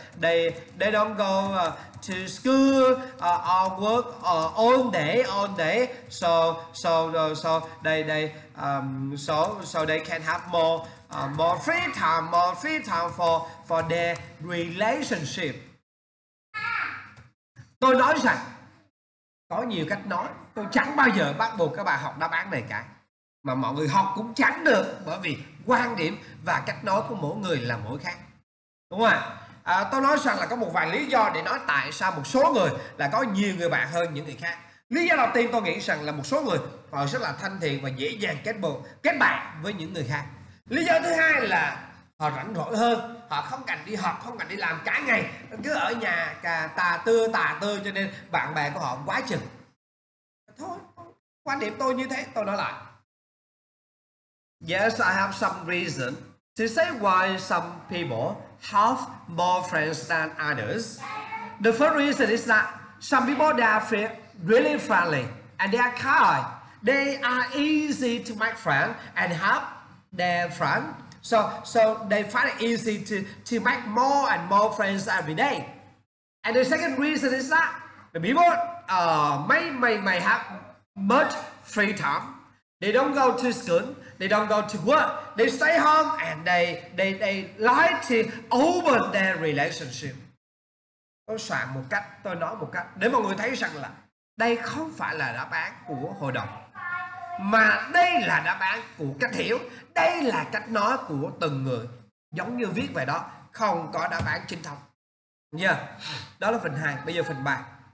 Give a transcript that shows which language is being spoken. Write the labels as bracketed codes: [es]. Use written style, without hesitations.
[en] They don't go to school or work all day. So they can have more free time for their relationship. [vi] Tôi nói rằng có nhiều cách nói. Tôi chẳng bao giờ bắt buộc các bạn học đáp án này cả. Mà mọi người học cũng chẳng được, bởi vì quan điểm và cách nói của mỗi người là mỗi khác, đúng không ạ? Tôi nói rằng là có một vài lý do để nói tại sao một số người là có nhiều người bạn hơn những người khác. Lý do đầu tiên tôi nghĩ rằng là một số người họ rất là thân thiện và dễ dàng kết bạn với những người khác. Lý do thứ hai là họ rảnh rỗi hơn, họ không cần đi học, không cần đi làm, cả ngày cứ ở nhà tà tư, cho nên bạn bè của họ quá chừng. Thôi, quan điểm tôi như thế, tôi nói lại. [en] Yes, I have some reason to say why some people have more friends than others. The first reason is that some people they are really friendly and they are kind. They are easy to make friends and help their friends. So they find it easy to make more and more friends every day. And the second reason is that the people may have much free time. They don't go to school. They don't go to work. They stay home and they like to open their relationship. [vi] Tôi soạn một cách, tôi nói một cách để mọi người thấy rằng là đây không phải là đáp án của hội đồng. mà đây là đáp án của cách hiểu, đây là cách nói của từng người. Giống như viết vậy đó, không có đáp án chính thống. Yeah. Đó là phần 2. Bây giờ phần 3.